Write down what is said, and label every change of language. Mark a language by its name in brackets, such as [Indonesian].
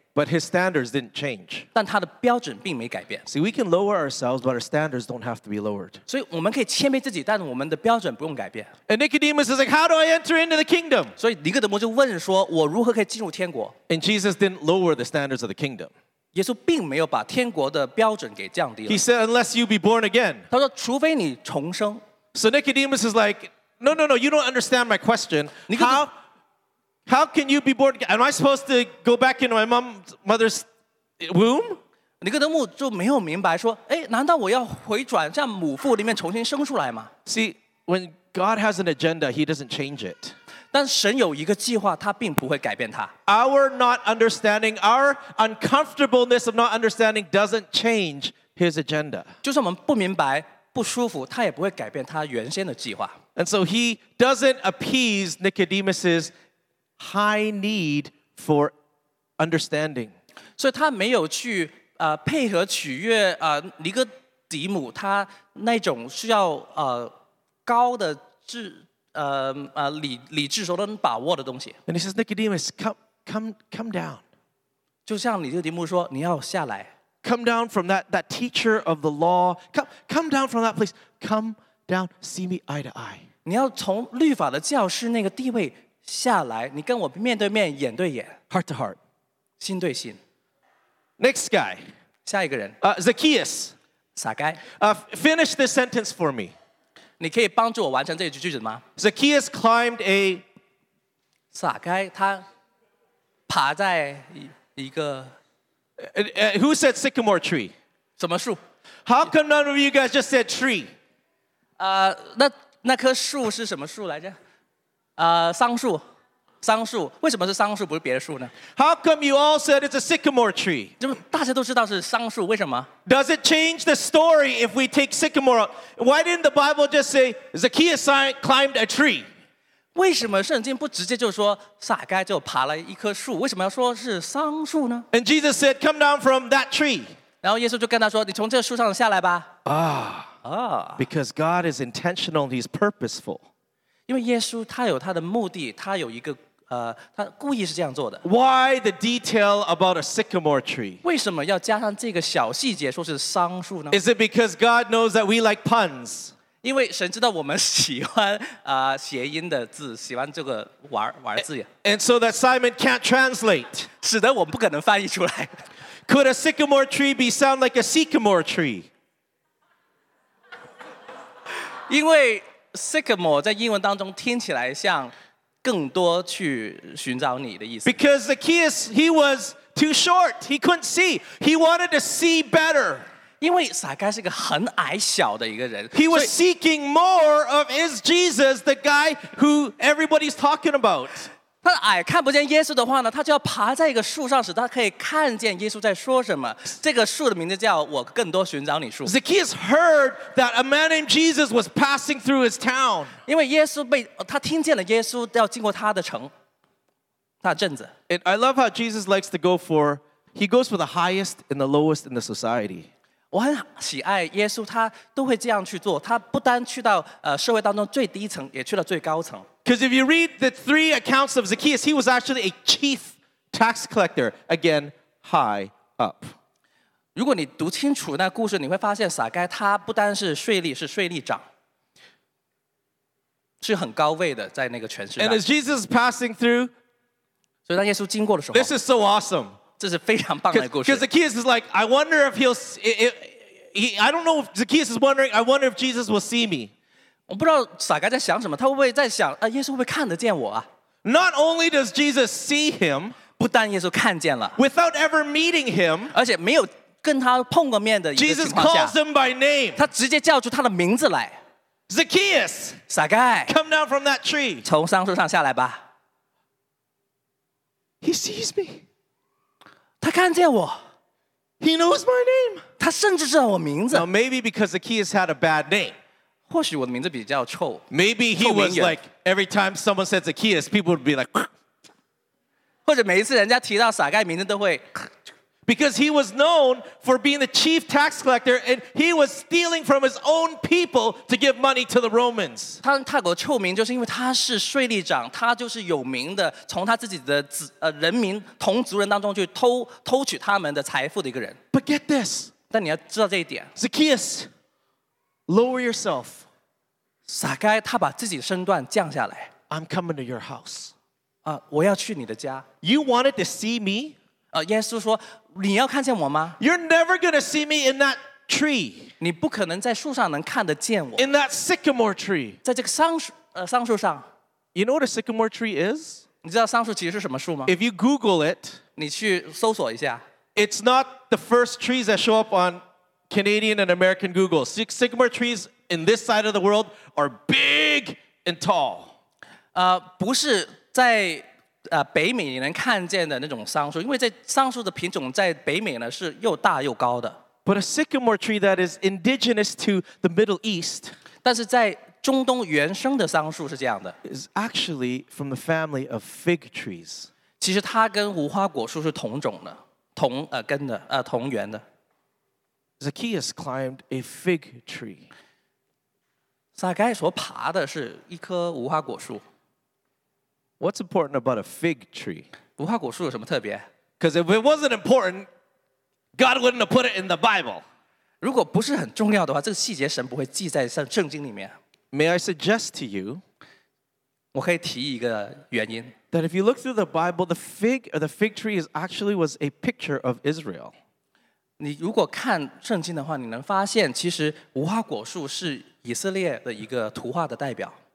[English] But his standards didn't change. [Chinese] 但他的标准并没改变。 [English] See, we can lower ourselves, but our standards don't have to be lowered. [Chinese] 所以我们可以谦卑自己，但我们的标准不用改变。 [English] And Nicodemus is like, how do I enter into the kingdom? [Chinese] 所以尼哥德摩就问说，我如何可以进入天国？ [English] And Jesus didn't lower the standards of the kingdom. [Chinese] 耶稣并没有把天国的标准给降低了。 [English] He said, unless you be born again. [Chinese] 他说，除非你重生。 [English] So Nicodemus is like, no, you don't understand my question. How can you be born again? Am I supposed to go back into my mother's womb? [Chinese] 尼哥德慕就没有明白说，哎，难道我要回转向母腹里面重新生出来吗？ [English] See, when God has an agenda, he doesn't change it. [Chinese] 但神有一个计划，他并不会改变它。 [English] Our not understanding, our uncomfortableness of not understanding doesn't change his agenda. [Chinese] 就算我们不明白，不舒服，他也不会改变他原先的计划。 [English] And so he doesn't appease Nicodemus's High need for understanding. So he [Chinese] 没有去配合取悦尼哥底母他那种需要高的智理智所能把握的东西 [English] And he says, Nicodemus, come down. [Chinese] 就像尼哥底母说，你要下来 [English] Come down from that teacher of the law. Come down from that place. Come down, see me eye to eye. [Chinese] 你要从律法的教师那个地位。下来，你跟我面对面，眼对眼 [English] ，heart to heart， [Chinese] 心对心。 [English] Next guy， [Chinese] 下一个人。 [English] Zacchaeus， [Chinese] 撒该。 [English] Finish this sentence for me。 [Chinese] 你可以帮助我完成这句句子吗 [English] ？Zacchaeus climbed a， [Chinese] 撒该，他爬在一个。 [English] Who said sycamore tree？ [Chinese] 什么树 [English] ？How come none of you guys just said tree？ [Chinese] 那棵树是什么树来着？桑树桑树，为什么是桑树不是别的树呢？ [English] How come you all said it's a sycamore tree? [Chinese] 就大家都知道是桑树，为什么？ [English] Does it change the story if we take sycamore? Why didn't the Bible just say Zacchaeus climbed a tree? [Chinese] 为什么圣经不直接就说撒该就爬了一棵树？为什么要说是桑树呢？ [English] And Jesus said, "Come down from that tree." [Chinese] 然后耶稣就跟他说，你从这树上下来吧。 [English] Because God is intentional, He's purposeful. [Chinese] 因为耶稣他有他的目的，他有一个他故意是这样做的。 [English] Why the detail about a sycamore tree? [Chinese] 为什么要加上这个小细节，说是桑树呢？ [English] Is it because God knows that we like puns? [Chinese] 因为神知道我们喜欢谐音的字，喜欢这个玩字。 [English] And so that Simon can't translate. [Chinese] 使得我们不可能翻译出来。 [English] Could a sycamore tree be sound like a sycamore tree? [Chinese] 因为 sycamore 在英文当中听起来像更多去寻找你的意思。 [English] Because Zacchaeus, he was too short. He couldn't see. He wanted to see better. [Chinese] 因为撒该是个很矮小的一个人。 [English] He was seeking more of his Jesus, the guy who everybody's talking about. [Chinese] 他矮看不见耶稣的话呢，他就要爬在一个树上，使他可以看见耶稣在说什么。这个树的名字叫我更多寻找你树。 [English] Zacchaeus heard that a man named Jesus was passing through his town. [Chinese] 因为耶稣被他听见了耶稣要经过他的城，他镇子。 [English] And I love how Jesus likes to go for, he goes for the highest and the lowest in the society. [Chinese] 我很喜爱耶稣，他都会这样去做。他不单去到社会当中最低层，也去了最高层。 [English] Because if you read the three accounts of Zacchaeus, he was actually a chief tax collector, again, high up. [Chinese] 如果你读清楚那故事，你会发现撒该他不单是税吏，是税吏长，是很高位的在那个权势。 [English] And as Jesus is passing through, [Chinese] 所以当耶稣经过的时候 [English] ，This is so awesome. [Chinese] 这是非常棒的故事。 [English] Because Zacchaeus is like, I wonder if he'll, I don't know if Zacchaeus is wondering. I wonder if Jesus will see me. [Chinese] 我不知道撒该在想什么，他会不会在想啊，耶稣会不会看得见我啊 [English] ？Not only does Jesus see him， [Chinese] 不但耶稣看见了 [English] ，without ever meeting him， [Chinese] 而且没有跟他碰过面的一个情况下 [English] ，Jesus calls him by name， [Chinese] 他直接叫出他的名字来 [English] ，Zacchaeus， [Chinese] 撒该 [English] ，come down from that tree， [Chinese] 从桑树上下来吧。 [English] He sees me， [Chinese] 他看见我。 [English] He knows my name， [Chinese] 他甚至知道我名字。 [English] Now maybe because Zacchaeus had a bad name。 [Chinese] 或许我的名字比较臭。 [English] Maybe he was like every time someone said Zacchaeus, people would be like. [Chinese] 或者每一次人家提到撒该名字都会。 [English] Because he was known for being the chief tax collector, and he was stealing from his own people to give money to the Romans. [Chinese] 他泰国臭名就是因为他是税吏长，他就是有名的，从他自己的人民同族人当中去偷取他们的财富的一个人。 [English] But get this. [Chinese] 但你要知道这一点。 [English] Zacchaeus. Lower yourself. [Chinese] 撒该他把自己身段降下来。 [English] I'm coming to your house. [Chinese] 我要去你的家。 [English] You wanted to see me? [Chinese] 耶稣说你要看见我吗？ [English] You're never going to see me in that tree. [Chinese] 你不可能在树上能看得见我。 [English] In that sycamore tree. [Chinese] 在这个桑树上。 [English] You know what a sycamore tree is? [Chinese] 你知道桑树其实是什么树吗？ [English] If you Google it, [Chinese] 你去搜索一下。 [English] It's not the first trees that show up on... Canadian and American Google. Sycamore trees in this side of the world are big and tall. [Chinese] 不是在北美你能看见的那种桑树，因为在桑树的品种在北美呢是又大又高的。 [English] But a sycamore tree that is indigenous to the Middle East. [Chinese] 但是在中东原生的桑树是这样的。 [English] Is actually from the family of fig trees. [Chinese] 其实它跟无花果树是同种的，同根的，同源的。 [English] Zacchaeus climbed a fig tree. [Chinese] 撒该所爬的是一棵无花果树。 [English] What's important about a fig tree? [Chinese] 无花果树有什么特别？ [English] Because if it wasn't important, God wouldn't have put it in the Bible. [Chinese] 如果不是很重要的话，这个细节神不会记在圣经里面。 [English] May I suggest to you? [Chinese] 我可以提一个原因。 [English] That if you look through the Bible, the fig tree was actually a picture of Israel. [Chinese] 你如果看圣经的话，你能发现其实无花果树是以色列的一个图画的代表。